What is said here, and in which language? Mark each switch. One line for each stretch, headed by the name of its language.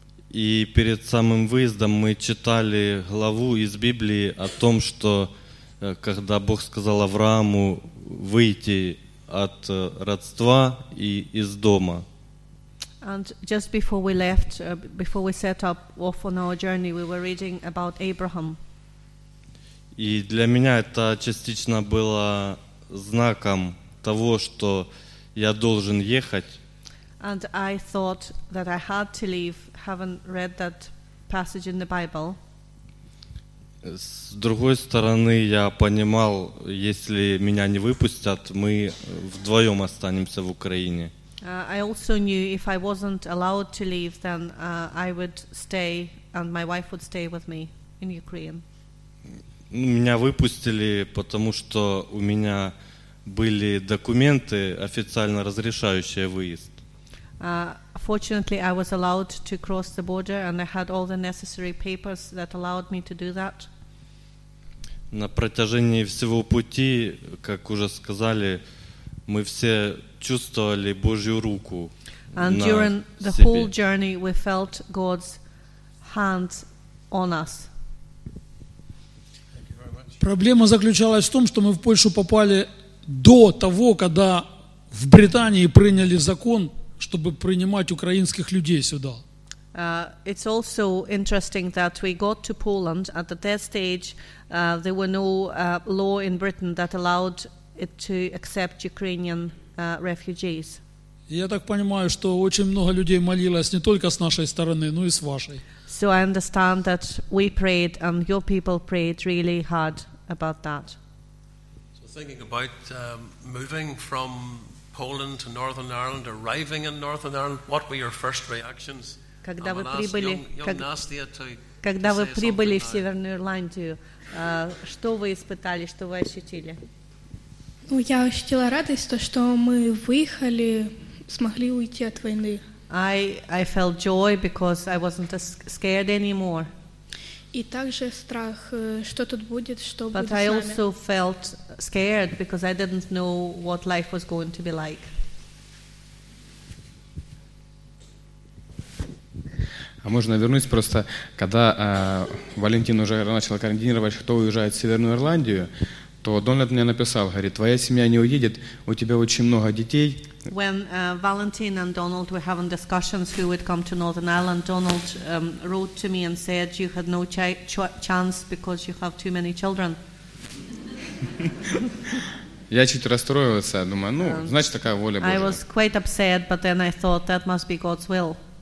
Russian: И перед самым выездом мы читали главу из Библии о том, что когда Бог сказал Аврааму выйти от родства и из дома.
English: And just before we left, before we set up off on our journey, we were reading about Abraham.
Russian: И для меня это частично было знаком того, что я должен ехать.
English: And I thought that I had to leave, having read that passage in the Bible.
Russian: С другой стороны, я понимал, если меня не выпустят, мы вдвоем останемся в Украине.
English: I also knew if I wasn't allowed to leave, then I would stay and my wife would stay with me in Ukraine.
Russian: Меня выпустили, потому что у меня были документы, официально разрешающие выезд.
English: Fortunately, I was allowed to cross the border, and I had all the necessary papers that allowed me to do that.
Russian: На протяжении всего пути, как уже сказали, мы все чувствовали Божью руку на себе.
English: And during the whole journey, we felt God's hand on us.
Russian: Проблема заключалась в том, что мы в Польшу попали до того, когда в Британии приняли закон, чтобы принимать украинских людей сюда.
English: It's also interesting that we got to Poland at that stage. There were no law in Britain that allowed it to accept Ukrainian refugees.
Russian: Я так понимаю, что очень много людей молилось не только с нашей стороны, но и с вашей.
English: So I understand that we prayed and your people prayed really hard about that. So thinking about moving from Poland to Northern Ireland, arriving in Northern Ireland, what were your first reactions?
Russian: Когда вы прибыли, когда вы прибыли в Северную Ирландию, что вы испытали, что вы ощутили? Ну, я ощутила радость, то, что мы выехали, смогли уйти от войны.
English: I felt joy because I wasn't scared anymore.
Russian: И также страх, что тут будет, что
English: But
Russian: будет
English: But I also felt scared because I didn't know what life was going to be like.
Russian: А можно вернуть просто, когда Валентин уже начал координировать, кто уезжает в Северную Ирландию, то Дональд мне написал, говорит, твоя семья не уедет, у тебя очень много детей.
English: When Valentin and Donald were having discussions who would come to Northern Ireland, Donald wrote to me and said, you had no chance because you have too many children.
Russian: Я чуть расстроился, думаю, ну, значит, такая воля Божия.
English: I was quite upset, but then I thought, that must be God's will.